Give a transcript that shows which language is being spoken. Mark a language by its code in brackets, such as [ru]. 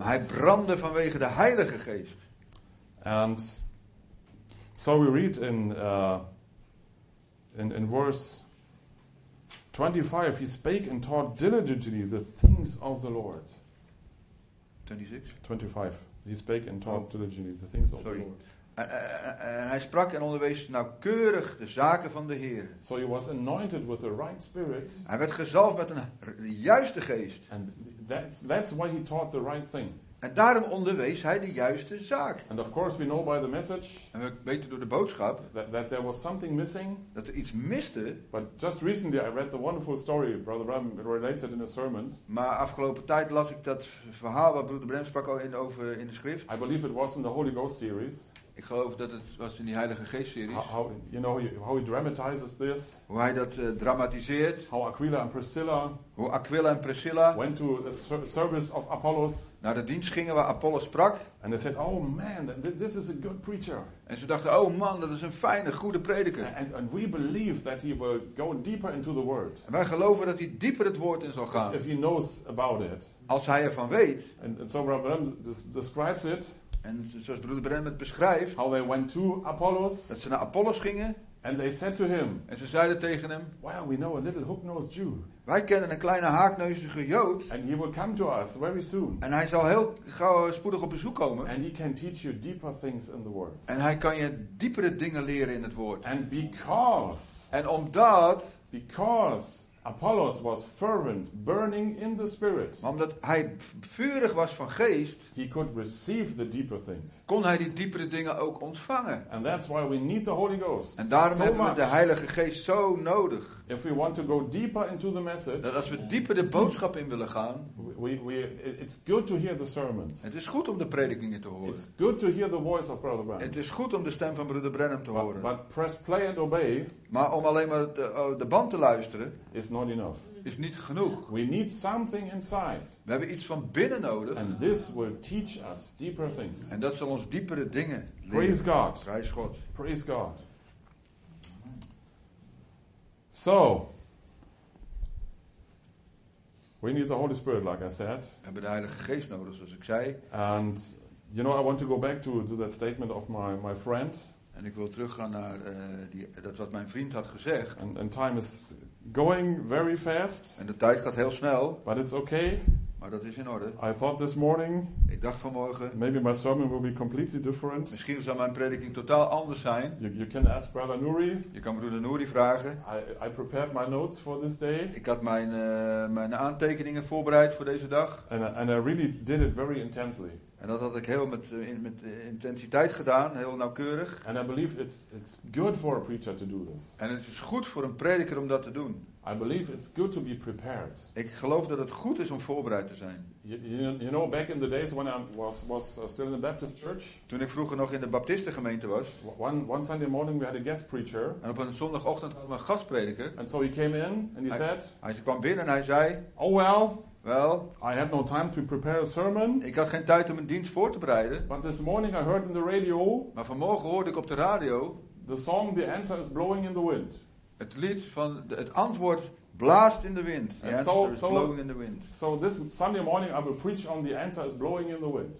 [nl] Maar hij brandde vanwege de Heilige Geest. [en] And so we read in verse 25, he spake and taught diligently the things of the Lord. 25. He spake and taught diligently the things of the Lord. [nl] Hij sprak en onderwees nauwkeurig de zaken van de Heer. [en] So he was anointed with the right spirit. [nl] Hij werd gezalfd met een juiste geest. [en] And that's why he taught the right thing. [nl] En daarom onderwees hij de juiste zaak. [en] And of course we know by the message. [nl] En we weten door de boodschap [en] that there was something missing. [nl] Dat er iets miste. [en] But just recently I read the wonderful story Brother Bram relates it in a sermon. [nl] Maar afgelopen tijd las ik dat verhaal wat Broeder Bram sprak over in de schrift. [en] I believe it was in the Holy Ghost series. [nl] Ik geloof dat het was in die Heilige Geest series. [en] How he dramatizes this. [nl] Hoe hij dat dramatiseert. [en] How Aquila and Priscilla. [nl] Hoe Aquila en Priscilla. [en] Went to a service of Apollos. [nl] Naar de dienst gingen waar Apollos sprak. [en] And they said, oh man, this is a good preacher. [nl] En ze dachten, oh man, dat is een fijne, goede prediker. [en] And we believe that he will go deeper into the word. [nl] En wij geloven dat hij dieper het woord in zal gaan. [en] If he knows about it. [nl] Als hij ervan weet. [en] And so Abraham describes it. [nl] En zoals Broeder Brenham het beschrijft, [en] how they went to Apollos, [nl] dat ze naar Apollos gingen, [en] and they said to him, [nl] en ze zeiden tegen hem, [en] well, we know a little hook-nosed Jew. [nl] Wij kennen een kleine haakneuzige Jood, [en] and he will come to us very soon. [nl] En hij zal heel gauw spoedig op bezoek komen, [en] and he can teach you deeper things in the word. [nl] En hij kan je diepere dingen leren in het woord. [en] And because, [nl] en omdat, [en] because Apollos was fervent, burning in the spirit. [nl] Maar omdat hij vurig was van geest, [en] he could receive the deeper things. [nl] Kon hij die diepere dingen ook ontvangen. [en] And that's why we need the Holy Ghost. [nl] En daarom [en] so [nl] hebben [en] much. [nl] We de Heilige Geest zo nodig. [en] If we want to go deeper into the message, [nl] dat als we dieper de boodschap in willen gaan, [en] it's good to hear the sermons. [nl] Het is goed om de predikingen te horen. [en] It's good to hear the voice of Brother Branham. [nl] Het is goed om de stem van Broeder Branham te horen. [en] But press play and obey. [nl] Maar om alleen maar de band te luisteren, [en] is not enough. [nl] Is niet genoeg. [en] We need something inside. [nl] We hebben iets van binnen nodig. [en] And this will teach us deeper things. [nl] En dat zal ons diepere dingen leren. [en] Praise God. [nl] Prijs God. [en] Praise God. So, we need the Holy Spirit, like I said. [nl] We hebben de Heilige Geest nodig, zoals ik zei. [en] And, you know, I want to go back to that statement of my friend. [nl] En ik wil teruggaan naar dat wat mijn vriend had gezegd. [en] And time is going very fast. [nl] En de tijd gaat heel snel. [en] But it's okay. [nl] Maar dat is in orde. [en] I thought this morning, [nl] ik dacht vanmorgen, [en] maybe my sermon will be completely different. [nl] Misschien zal mijn prediking totaal anders zijn. [en] You can ask Brother Nuri. [nl] Je kan broeder Nuri vragen. [en] I prepared my notes for this day. [nl] Ik had mijn aantekeningen voorbereid voor deze dag. [en] And I really did it very intensely. [nl] En dat had ik heel met intensiteit gedaan, heel nauwkeurig. [en] And I believe it's good for a preacher to do this. [nl] En het is goed voor een prediker om dat te doen. [en] I believe it's good to be prepared. [nl] Ik geloof dat het goed is om voorbereid te zijn. [en] You know, back in the days when I was still in the Baptist church. [nl] Toen ik vroeger nog in de baptistengemeente was. [en] One Sunday morning we had a guest preacher. [nl] En op een zondagochtend kwam een gastprediker. [en] And so he came in and he said. [nl] Hij kwam binnen en hij zei. [en] Oh well. Well, I had no time to prepare a sermon. [nl] Ik had geen tijd om een dienst voor te bereiden. [en] But this morning I heard in the radio. [nl] Maar vanmorgen hoorde ik op de radio. [en] The song, the answer is blowing in the wind. [nl] Het lied van het antwoord blaast in de wind. [en] The answer is blowing in the wind. So this Sunday morning I will preach on the answer is blowing in the wind.